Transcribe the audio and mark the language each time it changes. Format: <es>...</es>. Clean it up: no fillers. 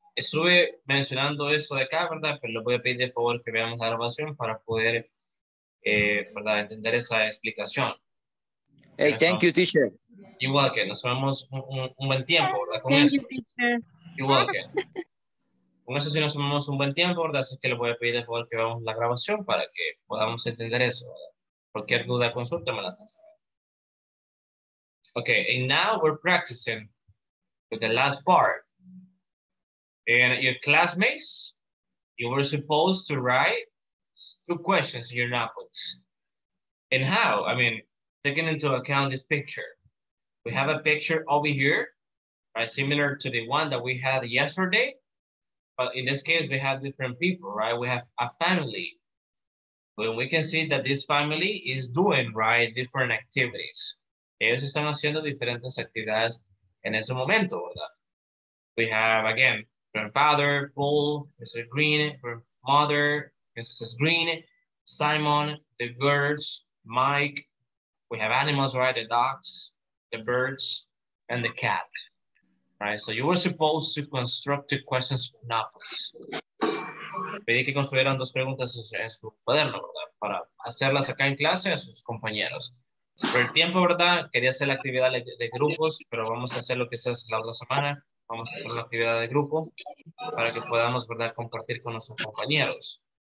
<es>Estuve mencionando eso de acá, ¿verdad?, pero les voy a pedir, por favor, que veamos la grabación para poder, ¿verdad?, entender esa explicación.</es> <en>Hey, thank you, teacher. You're welcome.</en> <es>Nos tomamos un buen tiempo, ¿verdad? Con</es> <en>thank</en> <es>eso.</es> <en>You, you're welcome.</en> <es>Con eso sí nos tomamos un buen tiempo, ¿verdad? Así que le voy a pedir, por favor, que veamos la grabación para que podamos entender eso, ¿verdad? Cualquier duda, consulta, me la hacen saber.</es> <en>Okay, and now we're practicing with the last part. And your classmates, you were supposed to write two questions in your notebooks. And how? I mean, taking into account this picture. We have a picture over here, right? Similar to the one that we had yesterday. But in this case, we have different people, right? We have a family, when we can see that this family is doing, right, different activities.</en> <es>Ellos están haciendo diferentes actividades en ese momento, ¿verdad?</es> <en>We have, again, grandfather, Paul, Mr. Green, grandmother, Mrs. Green, Simon, the girls, Mike. We have animals, right, the dogs, the birds, and the cat. Right, so you were supposed to construct two questions for nouns.</en> <es>Pedí que construyeran dos preguntas en su cuaderno, ¿verdad? Para hacerlas acá en clase a sus compañeros. Por el tiempo, ¿verdad? Quería hacer la actividad de grupos, pero vamos a hacer lo que se hace la otra semana. Vamos a hacer una actividad de grupo para que podamos, ¿verdad?, compartir con nuestros compañeros.</es>